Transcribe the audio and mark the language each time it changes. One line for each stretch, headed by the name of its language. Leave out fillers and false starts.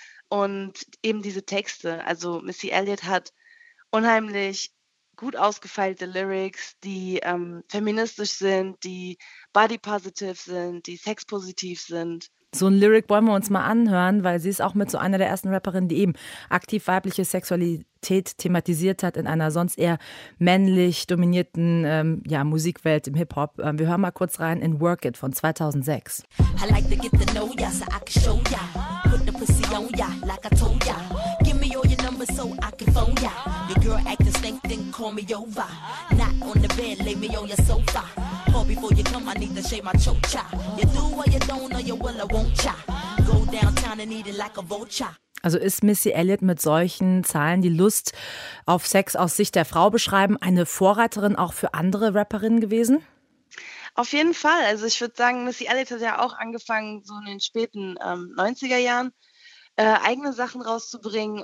German: Und eben diese Texte, also Missy Elliott hat unheimlich gut ausgefeilte Lyrics, die feministisch sind, die body positive sind, die sex positiv sind. So ein Lyric wollen wir uns mal anhören, weil sie ist auch mit so einer der ersten Rapperinnen, die eben aktiv weibliche Sexualität thematisiert hat in einer sonst eher männlich dominierten Musikwelt im Hip-Hop. Wir hören mal kurz rein in Work It von 2006.
English: I like to get to know ya, so I can show ya. Put the pussy on ya, like I told ya. Give me all your numbers so I can phone ya. Your girl act the same thing, call me over. Not on the bed, lay me on your sofa. Before you come, I need to shave my chocha. You do what you don't know, you will, I won't cha. Go downtown and eat it like a vulture.
German: Also ist Missy Elliott mit solchen Zahlen, die Lust auf Sex aus Sicht der Frau beschreiben, eine Vorreiterin auch für andere Rapperinnen gewesen? Auf jeden Fall. Also ich würde sagen, Missy Elliott hat ja auch angefangen, so in den späten 90er Jahren eigene Sachen rauszubringen.